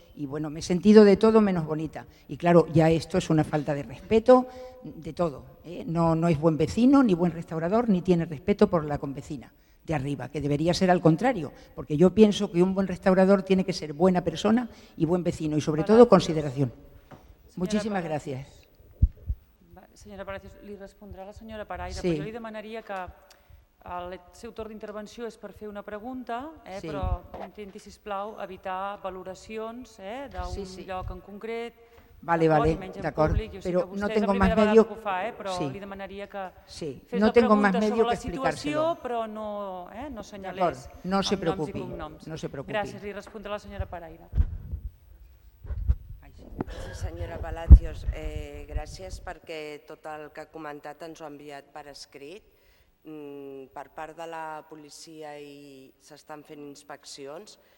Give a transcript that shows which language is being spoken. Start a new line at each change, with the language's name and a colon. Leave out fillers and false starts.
Spanish: Y bueno, me he sentido de todo menos bonita. Y claro, ya esto es una falta de respeto de todo, ¿eh? No es buen vecino, ni buen restaurador, ni tiene respeto por la convecina de arriba, que debería ser al contrario, porque yo pienso que un buen restaurador tiene que ser buena persona y buen vecino, y sobre todo consideración. Señora, muchísimas gracias.
Catalan: Senyora Paracios, li respondrà la senyora Paraire, sí. Però jo li demanaria que el seu torn d'intervenció és per fer una pregunta, sí. Però intenti, sisplau, evitar valoracions d'un lloc en concret.
Spanish: Vale,
Catalan: d'acord, però
Spanish: no tengo más medio.
Catalan: Però li demanaria que
Spanish: sí, no tengo más medio que explicar-se-lo,
Catalan: però no senyalés. No se preocupi. Gràcies, li respondrà la senyora Paraire. Senyora Palacios, gràcies perquè tot el que ha comentat ens ho ha enviat per escrit. Per part de la policia i s'estan fent inspeccions.